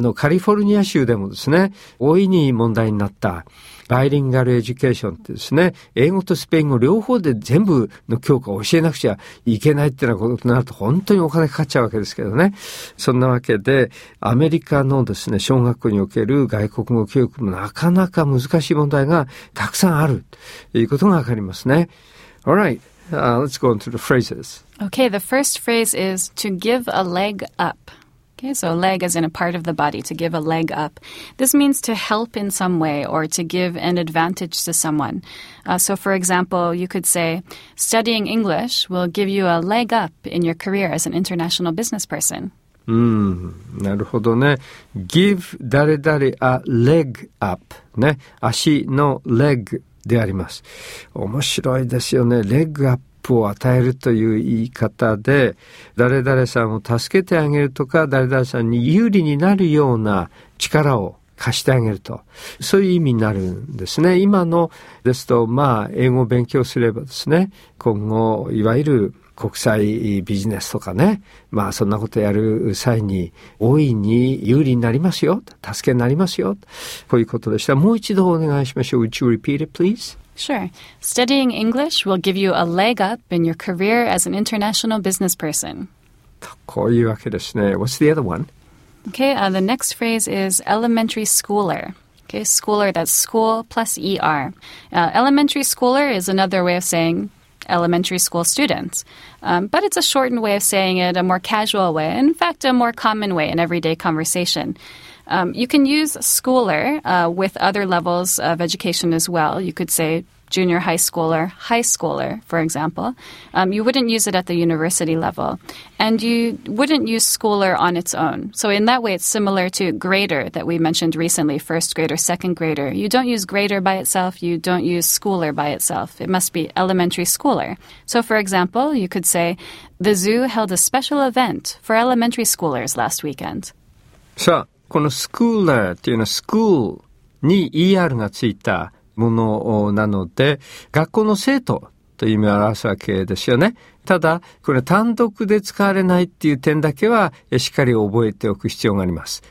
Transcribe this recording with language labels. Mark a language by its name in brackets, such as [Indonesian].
[Japanese] カリフォルニア州でもですね大いに問題になったバイリンガルエデュケーションってですね、英語とスペイン語両方で全部の教科を教えなくちゃいけないっていうようなことになると本当にお金かかっちゃうわけですけどね。そんなわけでアメリカのですね小学校における外国語教育もなかなか難しい問題がたくさんあるということがわかりますね。 [English] All right, let's go on to the phrases. Okay, the first phrase is to give a leg up. Okay, so leg as in a part of the body, to give a leg up. This means to help in some way or to give an advantage to someone. So for example, you could say, studying English will give you a leg up in your career as an international business person. [Japanese] なるほどね。 [English] Give [Japanese] 誰々 [English] a leg up. [Japanese] ね、足の leg であります。面白いですよね。Leg up. を与えるという言い方で、誰々さんを助けてあげるとか、誰々さんに有利になるような力を貸してあげると、そういう意味になるんですね。今のですと、まあ英語を勉強すればですね、今後いわゆる国際ビジネスとかね、まあそんなことやる際に大いに有利になりますよ、助けになりますよ、こういうことでした。もう一度お願いしましょう。 [English] Would you repeat it, please? Sure. Studying English will give you a leg up in your career as an international business person. [Japanese] こういうわけですね。 [English] What's the other one? Okay, the next phrase is elementary schooler. Okay, schooler, that's school plus ER. Elementary schooler is another way of saying elementary school students. But it's a shortened way of saying it, a more casual way. In fact, a more common way in everyday conversation. You can use schooler with other levels of education as well. You could say junior high schooler, for example. You wouldn't use it at the university level. And you wouldn't use schooler on its own. So in that way, it's similar to grader that we mentioned recently, first grader, second grader. You don't use grader by itself. You don't use schooler by itself. It must be elementary schooler. So for example, you could say, the zoo held a special event for elementary schoolers last weekend. So... [Japanese] このスクーラーというのはスクールに ER がついたものなので、学校の生徒という意味を表すわけですよね。ただこれ単独で使われないっていう点だけはしっかり覚えておく必要があります。